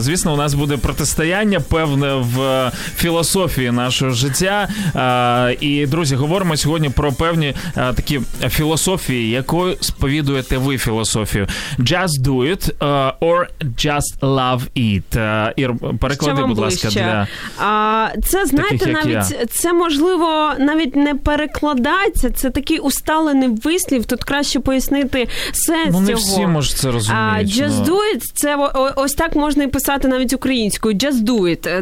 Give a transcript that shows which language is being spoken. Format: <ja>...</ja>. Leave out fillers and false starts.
<uk>Звісно, у нас буде протистояння, певне, в філософії нашого життя. І, друзі, говоримо сьогодні про певні такі філософії, якою сповідуєте ви філософію.</uk> <en>Just do it or just love it.</en> <uk>Ір, переклади. Будь ласка, для... Це, знаєте, таких, навіть це можливо навіть не перекладається, це такий усталений вислів, тут краще пояснити сенс цього. Ну, не всі можуть це розуміють.</uk> <en>Just do it,</en> <uk>це ось так можна і писати навіть українською,</uk> <en>just do it.</en>